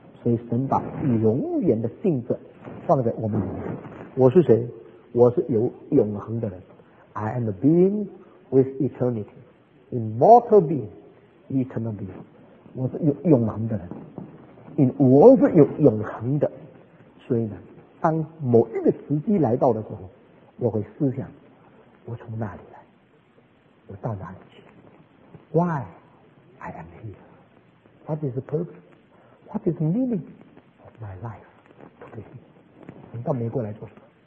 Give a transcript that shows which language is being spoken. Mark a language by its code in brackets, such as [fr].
[zh] 所以神把永远的性质放在我们里面。我是谁？我是有永恒的人。 [en] I am a being with eternity, immortal being, eternal being. [zh] 我是有永恒的人，因为我是有永恒的。所以呢，当某一个时机来到的时候，我会思想我从哪里来，我到哪里去， [en] Why I am here, What is the purpose, What is the meaning of my life to be here。 [zh] 你到美国来做什么？